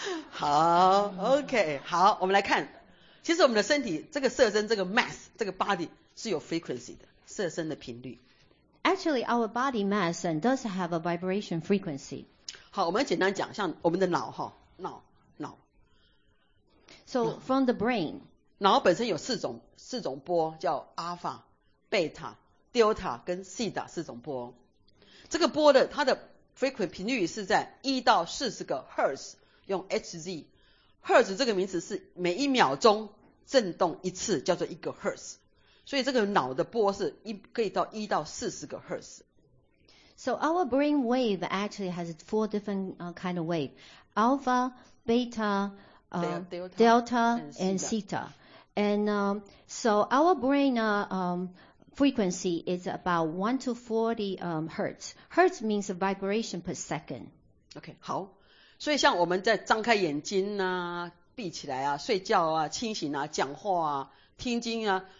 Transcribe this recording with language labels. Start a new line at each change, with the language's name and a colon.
Chinese: 好 ，OK， 好，我们来看，其实我们的身体这个色身这个 mass 这个 body 是有 frequency 的，色身的频率。
English: Actually, our body mass does have a vibration frequency.
Chinese: 好，我们简单讲，像我们的脑哈，脑。
English: So from the brain,
Chinese: 脑本身有四种波，叫 alpha、beta、delta 跟 theta 四种波。这个波的它的 frequency 频率是在1到40个 hertz， 用 hz。 hertz 这个名词是每一秒钟震动一次，叫做一个 hertz。所以这个脑的波是可以到1到40个 hertz。
English: So our brain wave actually has four different kind of wave: alpha, beta, delta, and theta. And so our brain frequency is about 1 to 40 hertz. Hertz means a vibration per second.
Chinese: Okay, 好。所以像我们在张开眼睛啊、闭起来啊、睡觉啊、清醒啊、讲话啊、听经啊。